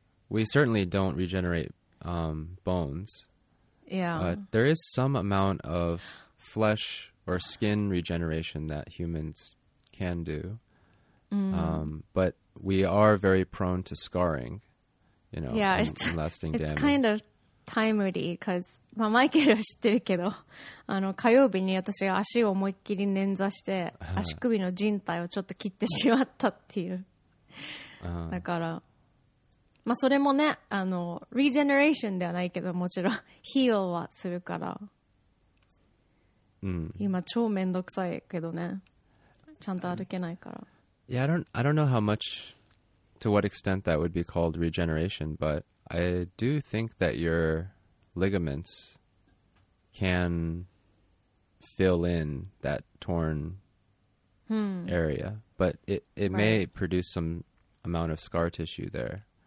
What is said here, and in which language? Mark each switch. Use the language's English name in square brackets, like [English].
[English] We certainly don't regenerate bones. Yeah. But there is some amount of flesh or skin regeneration that humans can do. Mm. But we are very prone to scarring, you know, yeah, and lasting it's damage. It's kind of... [Japanese] タイムリー cause、まあ、マイケルは知ってるけど、あの火曜日に私が足を思いっきり捻挫して足首の靭帯をちょっと切ってしまったっていうだから、まあ、それもねあのリジェネレーションではないけどもちろんヒーローはするから、うん、今超めんどくさいけどねちゃんと歩けないから、 [English] Yeah, I don't know how much to what extent that would be called regeneration butI do think that your ligaments can fill in that torn area, but it may produce some amount of scar tissue there.